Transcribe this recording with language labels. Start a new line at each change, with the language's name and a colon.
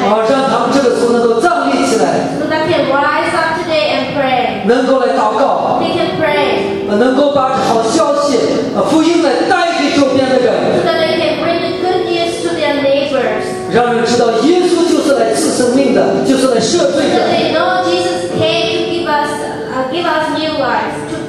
Chinese: 让他们这个时候能够站立起来。
English: So that can rise up today and pray.
Chinese: 能够来祷告。
English: They can pray.
Chinese: 能够把好消息、福音来带给周边的人。
English: So that they can bring good news to their neighbors.
Chinese: 让人知道耶稣就是来赐生命的，就是来赦罪的。
English: So that they know Jesus came to give us new lives.